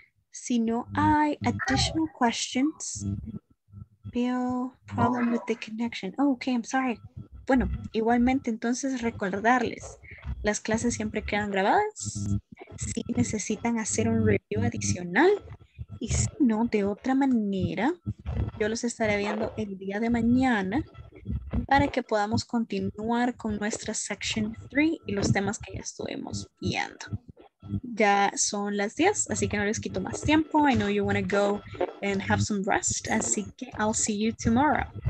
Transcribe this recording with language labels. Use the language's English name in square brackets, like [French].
[Spanish] Si no hay [English] additional questions, [Spanish] veo [English] problem with the connection. Oh, okay, I'm sorry. [Spanish] Bueno, igualmente, entonces recordarles, las clases siempre quedan grabadas. Si necesitan hacer un review adicional y si no, de otra manera, yo los estaré viendo el día de mañana para que podamos continuar con nuestra section 3 y los temas que ya estuvimos viendo. Ya son las 10, así que no les quito más tiempo. [English] I know you want to go and have some rest, [Spanish] así que [English] I'll see you tomorrow.